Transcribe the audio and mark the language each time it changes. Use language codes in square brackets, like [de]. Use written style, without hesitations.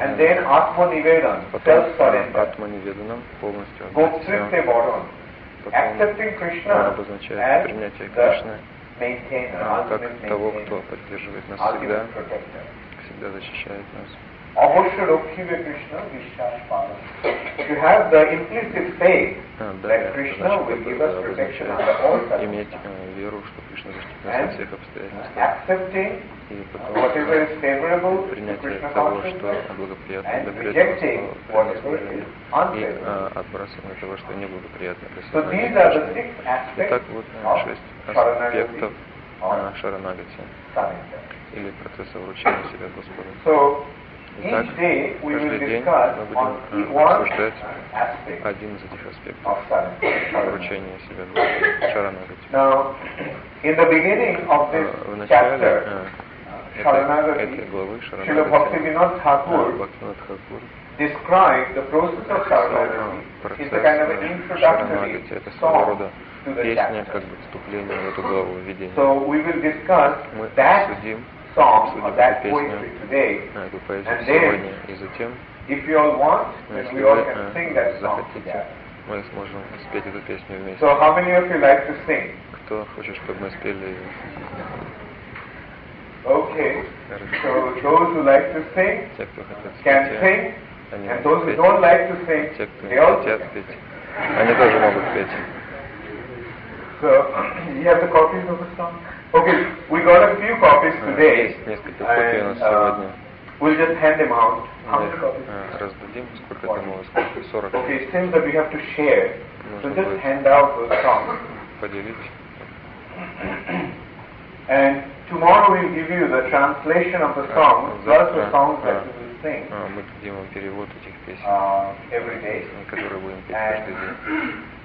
[en] And then Atmanivedan, self-surrender. [ru] Atmanivedanam, полностью отдать. [en] Accepting Krishna [ru] обозначает [en] as [ru] принятие Кришны как того, кто поддерживает нас всегда, всегда защищает нас. Avosya Rokhive Krishna Vishash Param. [en] You have the implicit faith that Krishna will give us protection under all circumstances. [ru] Иметь веру, что Кришна защитит нас от всех обстоятельств. [en] Accepting whatever is favorable to Krishna consciousness and rejecting whatever is unfavorable. [ru] И отбрасывание того, что неблагоприятно для сознания. Итак, вот шесть аспектов шаранагати или процесса вручения себя Господу. Итак, каждый день мы будем обсуждать один из этих аспектов вручения себя шаранагати. В начале этой главы Бхактивинод Тхакур [en] described the process of Sharanagati is a kind of an introductory song to the [ru] песня, как бы вступление в эту главу введения. [en] So we will discuss that song or that poetry today. And then, if you all want, we all can sing that song together. [ru] Мы сможем спеть эту песню вместе. [en] So how many of you like to sing? [ru] Кто хочет, чтобы мы спели? [en] Okay. So those who like to sing can sing. And those who don't like to sing, they all can sing. [ru] Они тоже могут петь. [en] So, you have the copies of the song? Okay, we got a few copies today. [ru] Есть несколько копий у нас сегодня. [en] We'll just hand them out. [ru] Раздадим, сколько там у вас копий? 40. [en] Okay, it seems that we have to share. So just hand out the song. [ru] Поделить. [en] And tomorrow we'll give you the translation of the song, plus the songs that we will sing. [ru] Мы дадим вам перевод этих песен, [en] every day. [ru] Которые будем петь каждый день.